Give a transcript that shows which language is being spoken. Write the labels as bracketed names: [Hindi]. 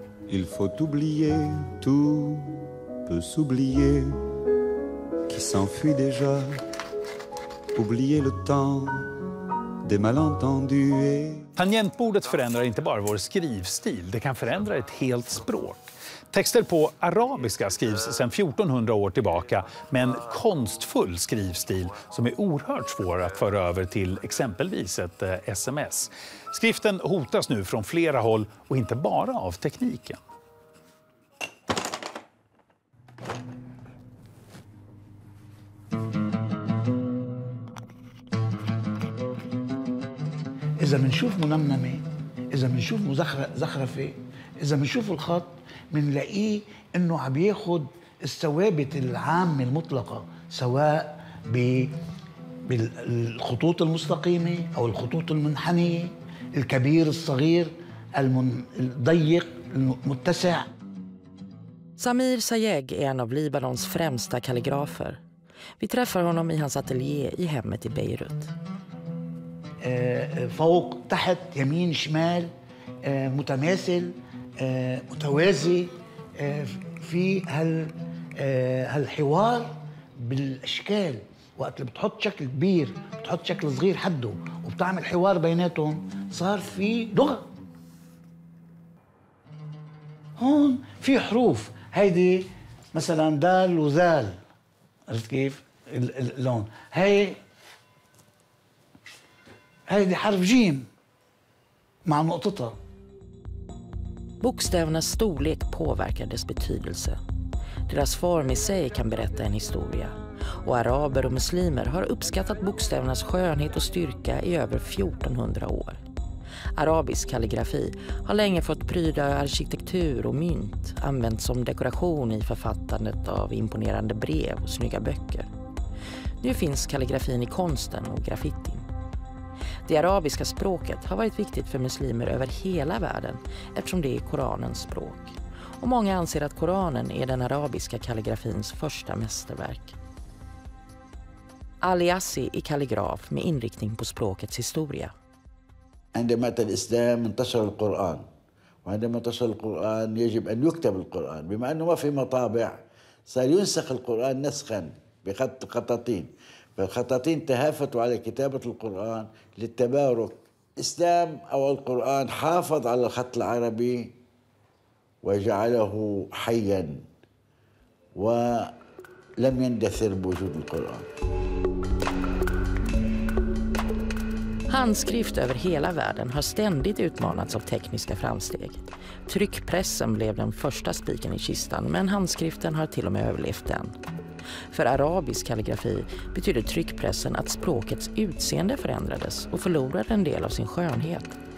[French] Il faut oublier, tout peut s'oublier, qui s'enfuit déjà. Oublier le temps des malentendus et... [Swedish] Tangentbordet förändrar inte bara vår skrivstil, det kan förändra ett helt språk. Texter på arabiska skrivs sedan 1400 år tillbaka med en konstfull skrivstil som är oerhört svår att föra över till exempelvis ett sms. Skriften hotas nu från flera håll och inte bara av tekniken. [Arabic] إذا منشوف منمنمة، إذا منشوف زخرفة، إذا منشوف الخط منلاقيه إنه عم ياخد الثوابت العامة المطلقة سواء بالخطوط المستقيمة أو الخطوط المنحنية، الكبير الصغير الضيق المتسع. [Swedish] سمير سايغ är en av Libanons främsta kalligrafer. Vi träffar honom i hans ateljé i hemmet i Beirut. [Arabic] فوق تحت يمين شمال متماثل متوازي في هالحوار بالاشكال وقت اللي بتحط شكل كبير بتحط شكل صغير حده وبتعمل حوار بيناتهم صار في لغه هون في حروف هيدي مثلا دال وزال عرفت كيف اللون هي هذه حرف جيم مع نقطتها. [Swedish] Bokstävernas storlek påverkar dess betydelse. Deras form i sig kan berätta en historia. Och araber och muslimer har uppskattat bokstävernas skönhet och styrka i över 1400 år. Arabisk kalligrafi har länge fått pryda arkitektur och mynt, använt som dekoration i författandet av imponerande brev och snygga böcker. Nu finns kalligrafin i konsten och graffiti. Det arabiska språket har varit viktigt för muslimer över hela världen eftersom det är Koranens språk. Och många anser att Koranen är den arabiska kalligrafins första mästerverk. Ali Assi är kalligraf med inriktning på språkets historia. [Arabic] عندما تنتشر الإسلام انتشر القرآن وعندما انتشر القرآن يجب أن يكتب القرآن بما أنه ما في مطابع صار ينسخ القرآن نسخا بخط قطاطين. فالخطاطين تهافتوا على كتابة القرآن للتبارك. الإسلام أو القرآن حافظ على الخط العربي وجعله حياً ولم يندثر بوجود القرآن. [Swedish] Handskrift över hela världen har ständigt utmanats av tekniska framsteg. Tryckpressen blev den första spiken i kistan, men handskriften har till och med överlevt den. För arabisk kalligrafi betyder tryckpressen att språkets utseende förändrades och förlorade en del av sin skönhet.